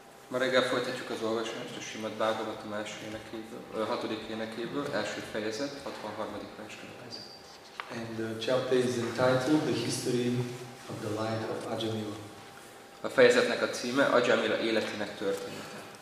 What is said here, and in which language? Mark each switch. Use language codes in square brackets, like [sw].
[hu] Ma reggel folytatjuk az olvasást a Srimad Bhagavatam 6. énekéből, első fejezet, 63. verstől. [en] And the chapter is entitled The History of the Life of Ajamila. [hu] A fejezetnek a címe Ajamila életének története.